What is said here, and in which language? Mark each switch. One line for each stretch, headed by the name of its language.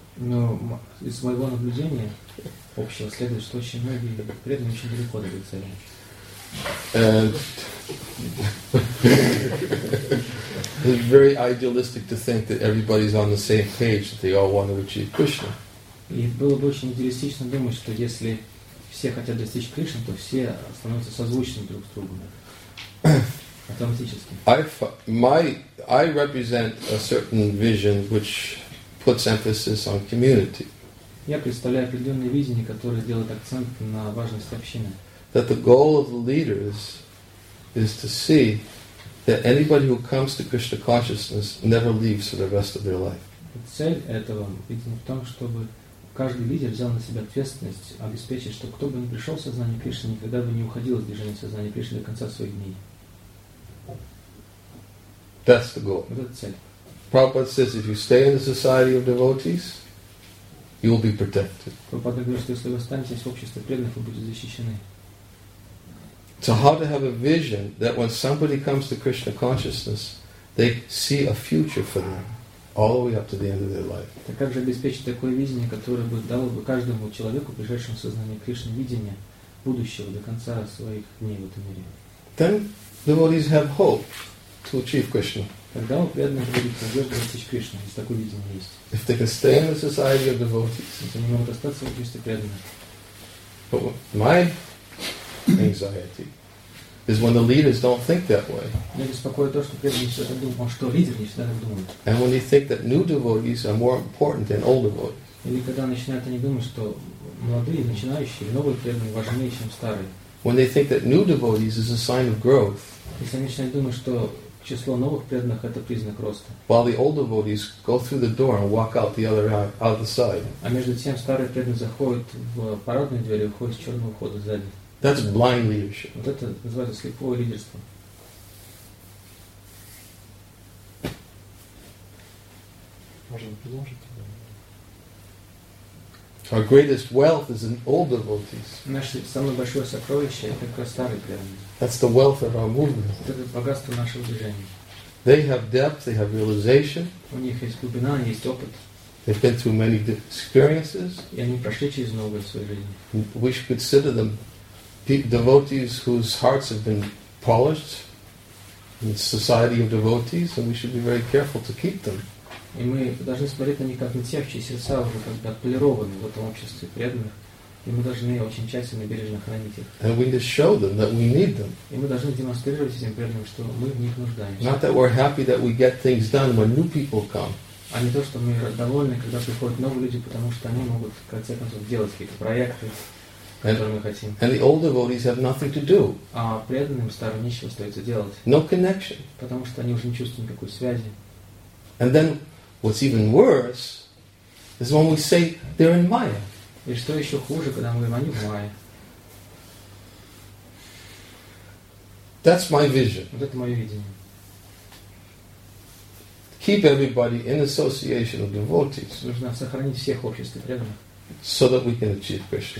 Russian: Но из моего наблюдения общего следует, что очень многие при этом очень далеко от этой цели.
English: It's very idealistic to think that everybody's on the same page, that they all want to achieve Krishna.
Russian: И было бы очень идеалистично думать, что если все хотят достичь Кришны, то все становятся созвучны друг с другом. Автоматически.
English: I represent a certain vision which puts emphasis on community.
Russian: Я представляю определенные видения, которые делают акцент на важность общины.
English: That the goal of the leaders is to see that anybody who comes to Krishna consciousness never leaves for the rest of their life.
Russian: Цель этого видимо в том, чтобы каждый лидер взял на себя ответственность обеспечить, что кто бы ни пришел в сознание Кришны, никогда бы не уходил из движения сознания Кришны до конца своих дней.
English: That's the goal.
Russian: Вот это цель.
English: Prabhupada says, if you stay in the society of devotees, you will be protected.
Russian: Прабхупада говорит, что если вы останетесь в обществе преданных, вы будете защищены.
English: So how to have a vision that when somebody comes to Krishna consciousness, they see a future for them all the way up to the end of their life?
Russian: Так как же обеспечить такое видение, которое бы дало бы каждому человеку, пришедшему в сознание Кришны, видение будущего до конца своих дней в этом мире?
English: Then devotees have hope to achieve Krishna.
Russian: Тогда у преданных будет надежда достичь Кришны, если такое видение есть.
English: If they can stay in the society of devotees,
Russian: если они могут остаться в обществе преданных.
English: But my anxiety is when the leaders don't think that way.
Russian: Меня беспокоит то, что преданные не всегда думают, а что лидеры не всегда так думают.
English: And when they think that new devotees are more important than old devotees.
Russian: Или когда начинают они думать, что молодые начинающие, новые преданные важнее, чем старые.
English: When they think that new devotees is a sign of growth.
Russian: Если они начинают думать, что число новых преданных это признак роста.
English: While the old devotees go through the door and walk out the other other side.
Russian: А между тем старые преданные заходят в парадную дверь и выходят с черного входа сзади.
English: That's blind leadership.
Russian: Вот это называется слепое лидерство.
English: Our greatest wealth is in old devotees.
Russian: Наше самое большое сокровище это как раз старые преданные.
English: That's the wealth of our movement.
Russian: Это богатство нашего движения.
English: They have depth, they have realization.
Russian: У них есть глубина, есть опыт.
English: They've been through many experiences.
Russian: И они прошли через многое в своей жизни.
English: We should consider them devotees whose hearts have been polished in the society of devotees, and we should be very careful to keep them.
Russian: И мы должны смотреть на них как на тех, чьи сердца уже как-то отполированы в этом обществе преданных. И мы должны очень тщательно и бережно хранить их.
English: And we need to show them that we need them.
Russian: И мы должны демонстрировать этим преданным, что мы в них нуждаемся.
English: Not that we're happy that we get things done when new people come.
Russian: А не то, что мы довольны, когда приходят новые люди, потому что они могут, в конце концов, делать какие-то проекты, которые мы хотим.
English: And the old devotees have nothing to do.
Russian: А преданным старым нечего остается делать.
English: No connection.
Russian: Потому что они уже не чувствуют никакой связи.
English: And then, what's even worse, is when we say they're in Maya.
Russian: И что еще хуже, когда мы говорим, они в мае.
English: That's my vision.
Russian: Вот это мое видение.
English: Keep everybody in association of devotees.
Russian: Нужно сохранить всех в обществе преданных.
English: So that we can achieve Krishna.